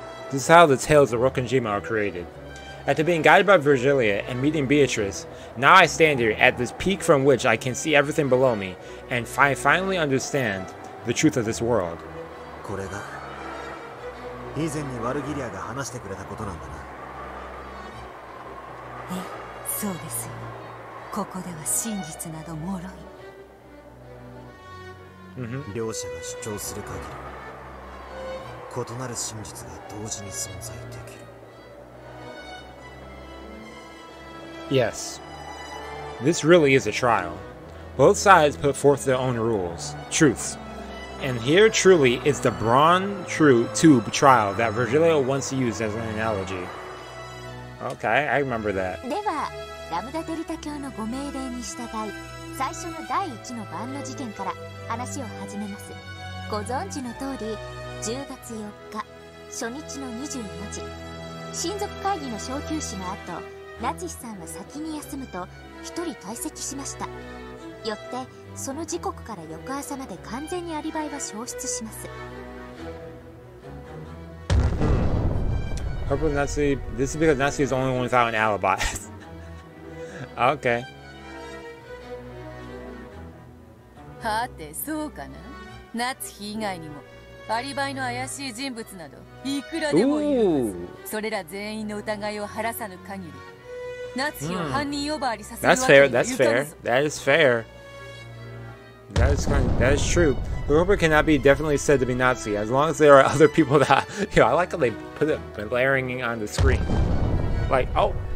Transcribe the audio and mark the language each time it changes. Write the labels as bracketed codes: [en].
[en] This is how the tales of Rokkenjima are created. After being guided by Virgilia and meeting Beatrice, now I stand here at this peak from which I can see everything below me, and I finally understand the truth of this world. This is what Valgiria has told me about before. Yes, so this. [ja] ここでは真実など脆い。両者が主張する限り、異なる真実が同時に存在できる。 [en] Yes. This really is a trial. Both sides put forth their own rules, truths. And here truly is the Braun True Tube trial that Virgilio once used as an analogy. Okay, I remember that. [ja] では。ラムダデルタ教のご命令に従い、最初の第一の晩の事件から話を始めます。ご存知の通り、10月4日、初日の24時、親族会議の召集士の後、ナチスさんは先に休むと一人退席しました。よって、その時刻から翌朝まで完全にアリバイは消失します。 [en] Probably Natsui, this is because Natsui is the only one without an alibi. Okay. [ja] はて、そうかな。夏日以外にもアリバイの怪しい人物などいくらでもいるはず。それら全員の疑いを晴らさぬ限り、夏日を犯人呼ばわりさせるわけにはいかぬぞ。 [en] That's fair. That is fair. That is kind. That is true. The culprit cannot be definitely said to be Nazi as long as there are other people that. You know, I like how they put it blaring on the screen. Like, oh.